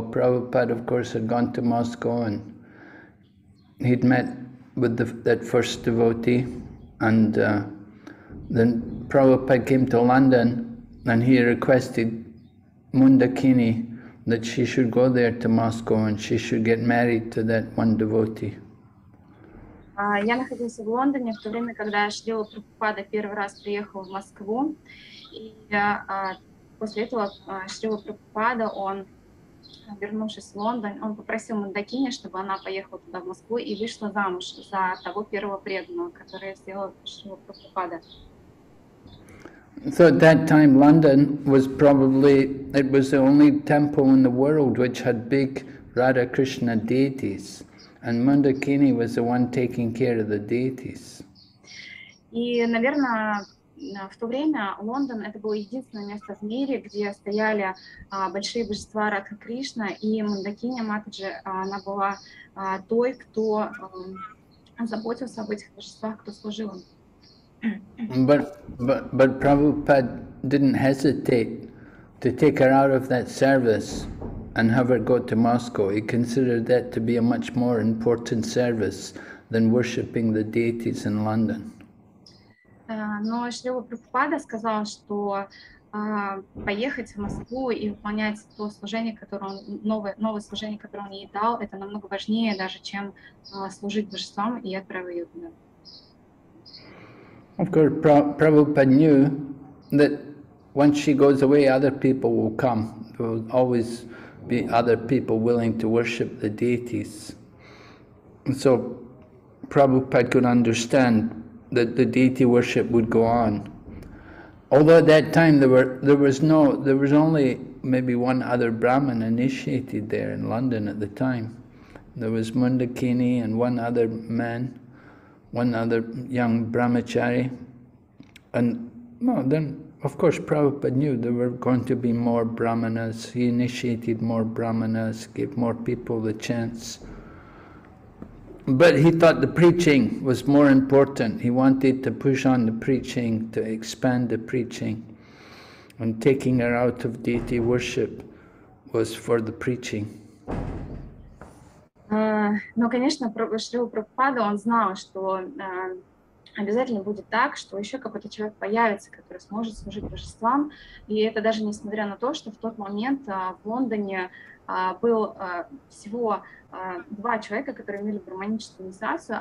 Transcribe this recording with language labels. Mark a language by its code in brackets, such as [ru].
[en] Prabhupada, of course, had gone to Moscow and he'd met with that first devotee, and then Prabhupada came to London and he requested Mundakini that she should go there to Moscow and she should get married to that one devotee. [ru] Я находился в Лондоне в то время, когда Шрила Прабхупада первый раз приехал в Москву, и после этого Шрила Прабхупада, он вернувшись в Лондон, он попросил Мандакини, чтобы она поехала туда в Москву и вышла замуж за того первого преданного, который сделал Шрила Прабхупада. [en] So at that time London was probably, it was the only temple in the world which had big Radha Krishna deities, and Mundakini was the one taking care of the deities. [ru] И, наверное, в то время Лондон это было единственное место в мире, где стояли большие божества Радха Кришна, и Мандакини Матаджи, она была той, кто заботился об этих божествах, кто служил им. [en] But Prabhupada didn't hesitate to take her out of that service and have her go to Moscow. He considered that to be a much more important service than worshipping the deities in London. [ru] Но Шрила Прабхупада сказал, что поехать в Москву и выполнять то служение, которое он, новое служение, которое он ей дал, это намного важнее даже, чем служить божествам и отправить ее туда. [en] Of course, Prabhupada knew that once she goes away, other people will come. There will always be other people willing to worship the deities. And so Prabhupada could understand that the deity worship would go on. Although at that time there was only maybe one other Brahmin initiated there in London at the time. There was Mundakini and one other man. one other young brahmachari. And well, then, of course, Prabhupada knew there were going to be more brahmanas. He initiated more brahmanas, gave more people the chance. But he thought the preaching was more important. He wanted to push on the preaching, to expand the preaching. And taking her out of deity worship was for the preaching. [ru] Но, конечно, Шрила Прабхупада, он знал, что обязательно будет так, что еще какой-то человек появится, который сможет служить божествам. И это даже несмотря на то, что в тот момент в Лондоне был всего два человека, которые имели брахманическую инициацию.